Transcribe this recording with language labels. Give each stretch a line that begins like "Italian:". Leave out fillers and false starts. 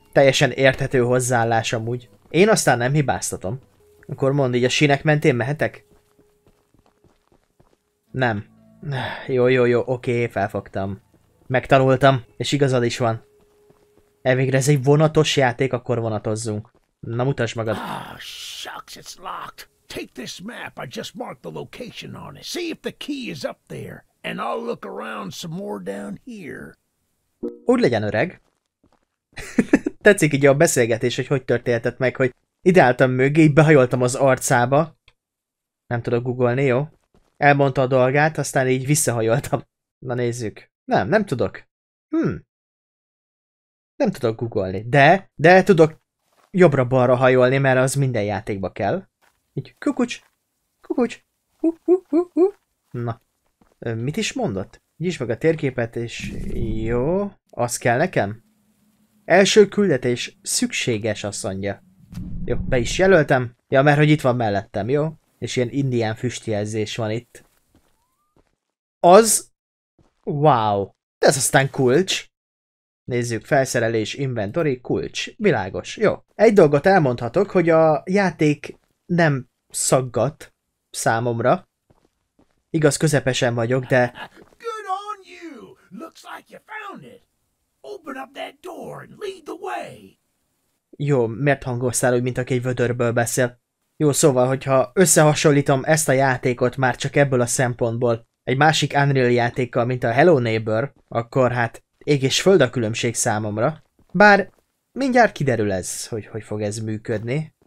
Hungarian: Teljesen érthető hozzáállás amúgy. Én aztán nem hibáztatom. Akkor mondd, így a sínek mentén mehetek? Nem. Jó, oké, felfogtam. Megtanultam, és igazad is van. Elvégre ez egy vonatos játék, akkor vonatozzunk. Na, mutasd magad.
English: Shucks, it's locked. Take this map, I just marked the location on it. See if the key is up there, and I'll look around some more down here.
Hungarian: Úgy legyen, öreg. Tetszik így a beszélgetés, hogy történhetett meg, hogy ide álltam mögé, így behajoltam az arcába. Nem tudok googolni, jó? Elmondta a dolgát, aztán így visszahajoltam. Na nézzük. Nem tudok. Nem tudok googolni, de tudok jobbra-balra hajolni, mert az minden játékba kell. Így kukucs, hú. Na, mit is mondott? Nyisd meg a térképet, és jó, az kell nekem? Első küldetés szükséges, azt mondja. Jó, be is jelöltem. Ja, mert hogy itt van mellettem, jó? És ilyen indián füstjelzés van itt. Az, wow, ez aztán kulcs. Nézzük, felszerelés, inventory, kulcs. Világos, jó. Egy dolgot elmondhatok, hogy a játék nem szaggat számomra. Igaz, közepesen vagyok, de...
English: Good on you! Looks like you found it! Open up that door and lead the way!
Hungarian: Jó, miért hangoztál úgy, mint aki egy vödörből beszél? Jó, szóval, hogyha összehasonlítom ezt a játékot már csak ebből a szempontból egy másik Unreal játékkal, mint a Hello Neighbor, akkor hát ég és föld a különbség számomra. Bár mindjárt kiderül ez, hogy fog ez működni.